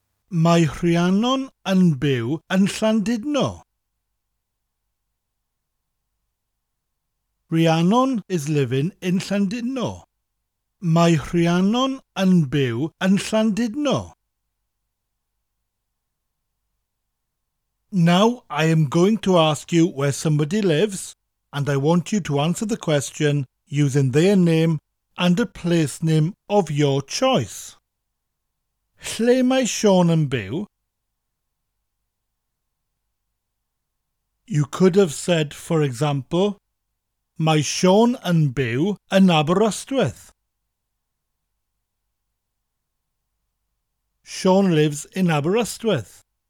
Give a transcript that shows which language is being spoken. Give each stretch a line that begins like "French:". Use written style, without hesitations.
Welsh: Mae Rhiannon yn byw yn Llandudno.
English: Rhiannon is living in Llandudno.
Welsh: Mae Rhiannon yn byw yn Llandudno.
English: Now I am going to ask you where somebody lives, and I want you to answer the question using their name and a place name of your choice.
Welsh: Lle mae Sean yn byw?
English: You could have said, for example,
Welsh: mae Sean yn byw yn Aberystwyth.
English: Sean lives in Aberystwyth.